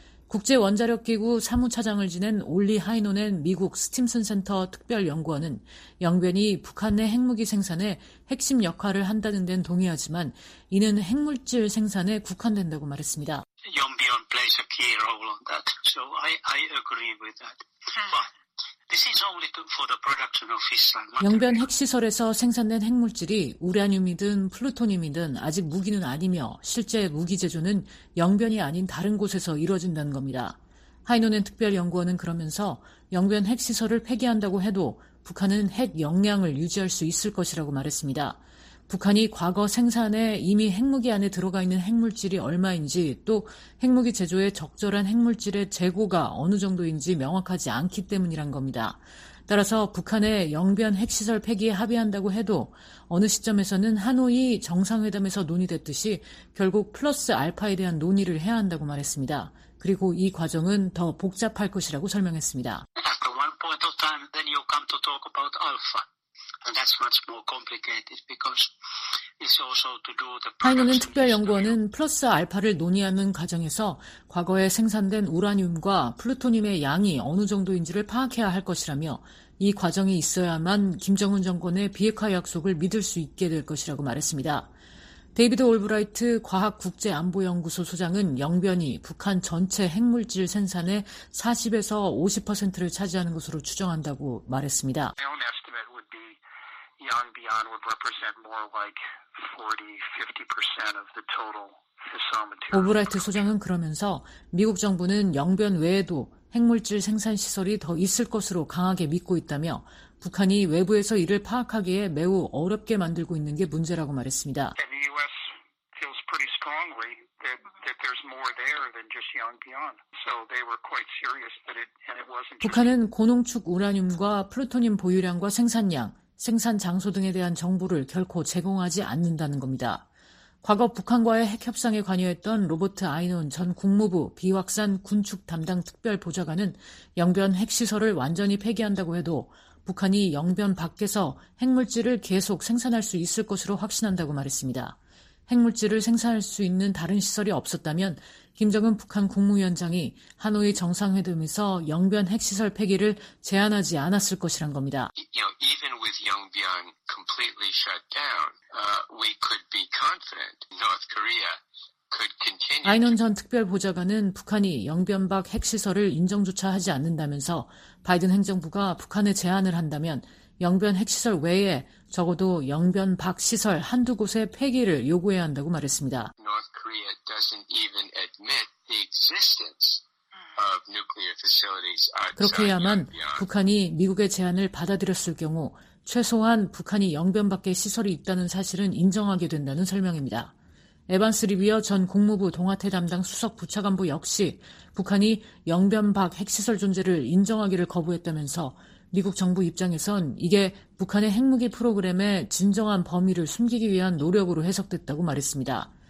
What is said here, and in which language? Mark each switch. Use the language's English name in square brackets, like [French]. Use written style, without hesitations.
[Korean] 국제원자력기구 사무차장을 지낸 올리 하이노넨 미국 스팀슨 센터 특별연구원은 영변이 북한 내 핵무기 생산에 핵심 역할을 한다는 데는 동의하지만 이는 핵물질 생산에 국한된다고 말했습니다. [English] Yongbyon plays a key role on that. So I agree with that. But this is only for the production of fission. [Korean] 영변 핵시설에서 생산된 핵물질이 우라늄이든 플루토늄이든 아직 무기는 아니며 실제 무기 제조는 영변이 아닌 다른 곳에서 이루어진다는 겁니다. 하이노넨 특별연구원은 그러면서 영변 핵시설을 폐기한다고 해도 북한은 핵 역량을 유지할 수 있을 것이라고 말했습니다. 북한이 과거 생산에 이미 핵무기 안에 들어가 있는 핵물질이 얼마인지 또 핵무기 제조에 적절한 핵물질의 재고가 어느 정도인지 명확하지 않기 때문이란 겁니다. 따라서 북한의 영변 핵시설 폐기에 합의한다고 해도 어느 시점에서는 하노이 정상회담에서 논의됐듯이 결국 플러스 알파에 대한 논의를 해야 한다고 말했습니다. 그리고 이 과정은 더 복잡할 것이라고 설명했습니다. [English] At one point of time, then you come to talk about alpha. And that's much more complicated because it's also to do the. [Korean] 하이노넨 특별연구원은 플러스 알파를 논의하는 과정에서 과거에 생산된 우라늄과 플루토늄의 양이 어느 정도인지를 파악해야 할 것이라며 이 과정이 있어야만 김정은 정권의 비핵화 약속을 믿을 수 있게 될 것이라고 말했습니다. 데이비드 올브라이트 과학국제안보연구소 소장은 영변이 북한 전체 핵물질 생산의 40에서 50%를 차지하는 것으로 추정한다고 말했습니다. [English] Yongbyon would represent more like 40, 50% of the total fission material. [Korean] 오브라이트 소장은 그러면서 미국 정부는 영변 외에도 핵물질 생산 시설이 더 있을 것으로 강하게 믿고 있다며 북한이 외부에서 이를 파악하기에 매우 어렵게 만들고 있는 게 문제라고 말했습니다. [English] And the U.S. feels pretty strongly that there's more there than just Yongbyon. So they were quite serious that it and it wasn't. [Korean] 북한은 고농축 우라늄과 플루토늄 보유량과 생산량, 생산 장소 등에 대한 정보를 결코 제공하지 않는다는 겁니다. 과거 북한과의 핵협상에 관여했던 로버트 아이논 전 국무부 비확산 군축 담당 특별보좌관은 영변 핵시설을 완전히 폐기한다고 해도 북한이 영변 밖에서 핵물질을 계속 생산할 수 있을 것으로 확신한다고 말했습니다. 핵물질을 생산할 수 있는 다른 시설이 없었다면 김정은 북한 국무위원장이 하노이 정상회담에서 영변 핵시설 폐기를 제안하지 않았을 것이란 겁니다. [English] You know, even with Yongbyon completely shut down, we could be confident North Korea could continue. [Korean] 아이논 전 특별보좌관은 북한이 영변 밖 핵시설을 인정조차 하지 않는다면서 바이든 행정부가 북한에 제안을 한다면 영변 핵시설 외에 적어도 영변 밖 시설 한두 곳의 폐기를 요구해야 한다고 말했습니다. [English] North Korea doesn't even admit the existence of nuclear facilities. [Korean] 그렇게 해야만 북한이 미국의 제안을 받아들였을 경우 최소한 북한이 영변 밖에 시설이 있다는 사실은 인정하게 된다는 설명입니다. 에반스 리비어 전 국무부 동아태 담당 수석 부차관보 역시 북한이 영변 밖 핵시설 존재를 인정하기를 거부했다면서 미국 정부 입장에선 이게 북한의 핵무기 프로그램의 진정한 범위를 숨기기 위한 노력으로 해석됐다고 말했습니다.